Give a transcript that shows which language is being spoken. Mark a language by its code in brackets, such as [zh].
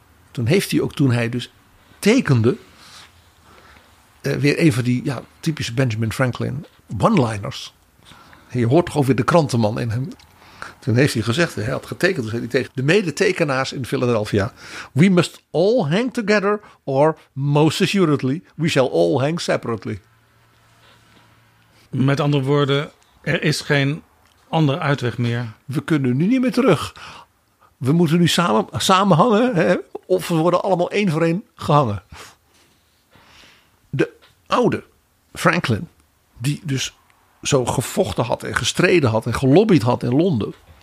[nl] Toen heeft hij ook toen hij dus tekende. Weer een van die ja, typische Benjamin Franklin one-liners. Je hoort toch ook weer de krantenman in hem. Toen heeft hij gezegd, hij had getekend dus hij tegen de medetekenaars in Philadelphia. [en] We must all hang together or most assuredly we shall all hang separately. [nl] Met andere woorden, er is geen andere uitweg meer. We kunnen nu niet meer terug. We moeten nu samen hangen hè, of we worden allemaal één voor één gehangen. De oude Franklin die dus zo gevochten had en gestreden had en gelobbyd had in Londen.